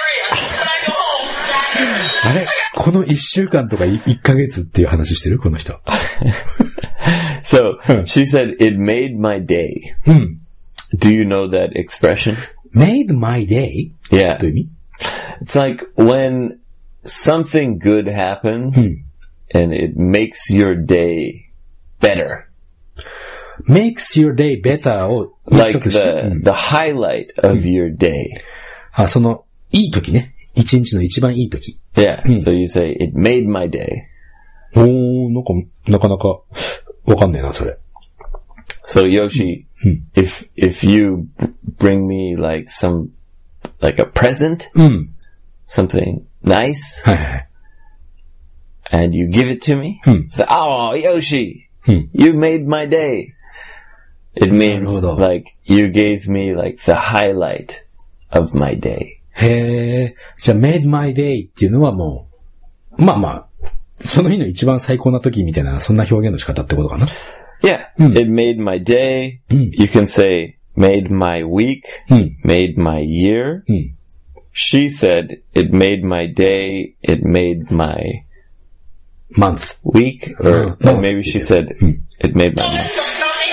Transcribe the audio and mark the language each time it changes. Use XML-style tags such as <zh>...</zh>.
<ja>あれこの1週間とか1ヶ月っていう話してるこの人。</ja> <en>So, she said, it made my day. Do you know that expression? Made my day? Yeah. It's like when something good happens, and it makes your day better. Makes your day better. Like the highlight of your day.</en> <ja>あ、そのいい時ね。一日の一番いい時。</ja> <en>Yeah. So you say, it made my day.</en> <ja>おー、なんか、なかなか。わかんねえな、それ。</ja> <en>So, Yoshi,、if you bring me, like, some, like, a present,、something nice,</en> <ja>はいはい、</ja> <en>and you give it to me,、say, oh, Yoshi,、you made my day. It means, like, you gave me, like, the highlight of my day.</en> <ja>へえ、じゃあ、</ja> <en>made my day</en> <ja>っていうのはもう、まあまあ、その日の一番最高な時みたいな、そんな表現の仕方ってことかな Yeah,、it made my day.、You can say, made my week,、made my year.、She said, it made my day, it made my month, week, or month. Maybe she said,、it made my month.</ja>